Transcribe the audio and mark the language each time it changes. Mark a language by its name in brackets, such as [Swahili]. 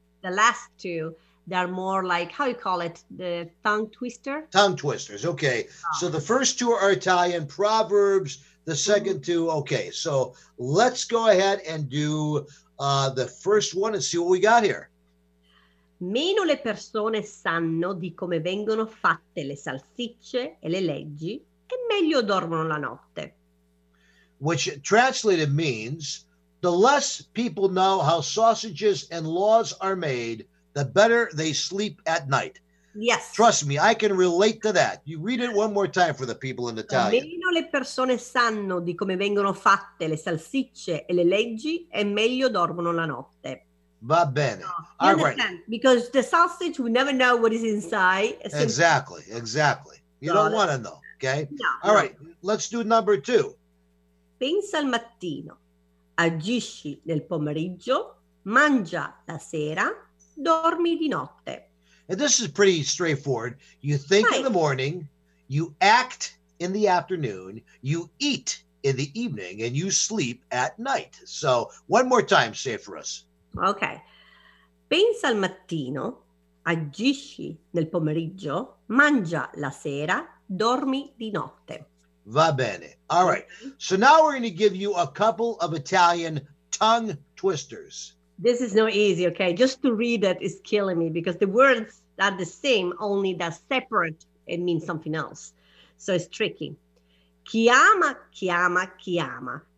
[English] The last two, they're more like, how you call it, the tongue twister? Tongue twisters, okay. Oh. So the first two are Italian proverbs, the second two, okay. So let's go ahead and do the first one and see what we got here. [Italian] Meno le persone sanno di come vengono fatte le salsicce e le leggi, e meglio dormono la notte. [English] Which translated means, the less people know how sausages and laws are made, the better they sleep at night. Yes. Trust me, I can relate to that. You read it one more time for the people in Italian. [Italian] Meno le persone sanno di come vengono fatte le salsicce e le leggi, e meglio dormono la notte. Va bene. [English] Because the sausage, we never know what is inside. Exactly, exactly. You don't want to know, okay? No. All right, let's do number two. [Italian] Pensa al mattino. Agisci nel pomeriggio, mangia la sera, dormi di notte. [English] And this is pretty straightforward. You think in the morning, you act in the afternoon, you eat in the evening, and you sleep at night. So one more time, say it for us. Okay. [Italian] Pensa al mattino, agisci nel pomeriggio, mangia la sera, dormi di notte. Va bene. [English] All right. So now we're going to give you a couple of Italian tongue twisters. This is not easy, okay? Just to read it is killing me because the words are the same, only that separate, it means something else. So it's tricky. [Italian] Chiama, chiama, chiama.